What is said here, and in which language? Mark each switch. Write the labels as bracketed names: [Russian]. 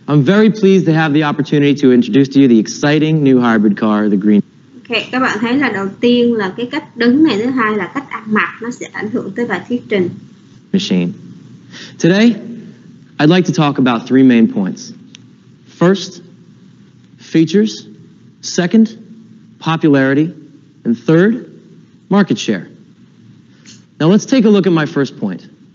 [English] I'm very pleased to have the opportunity to introduce to you the exciting new hybrid car, the Green. [Vietnamese] Okay, các bạn thấy là đầu tiên là cái cách đứng này, thứ hai là cách ăn mặc, nó sẽ ảnh hưởng tới bài thuyết trình. [English] Machine. Today, I'd like to talk about three main points. First, features. Second, popularity. And third, market share. Now let's take a look at my first point.